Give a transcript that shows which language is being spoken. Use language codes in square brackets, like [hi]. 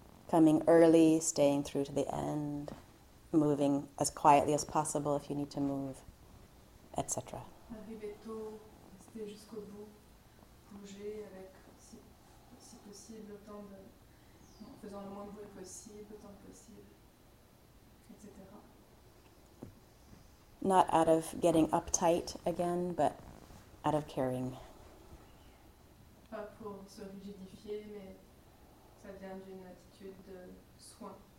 [en] Coming early, staying through to the end, moving as quietly as possible if you need to move, etc. [fr] Arriver tôt, rester jusqu'au bout, bouger avec, si possible, autant de, en faisant le moins de bruit possible, autant que possible, etc. [en] Not out of getting uptight again, but out of caring. [fr] Pas pour se rigidifier, mais ça vient d'une attitude de soin.